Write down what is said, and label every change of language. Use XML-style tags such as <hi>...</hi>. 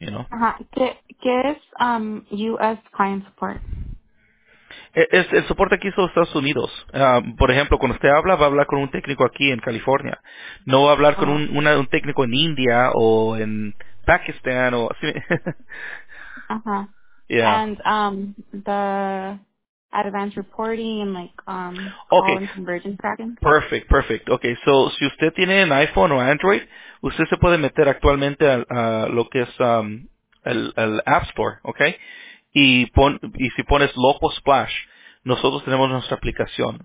<es>Ajá, ¿qué es US Client Support? El soporte aquí es de los Estados Unidos. Por ejemplo, cuando usted habla, va a hablar con un técnico aquí en California. No va a hablar con un técnico en India o en Pakistán o así. Uh-huh.</es> <en>Yeah. And the advanced reporting and call and conversion tracking. Perfect, perfect.</en> <es>Okay, so si usted tiene un iPhone o Android, usted se puede meter actualmente a lo que es el App Store, okay? Y si pones Loco Splash, nosotros tenemos nuestra aplicación.</es>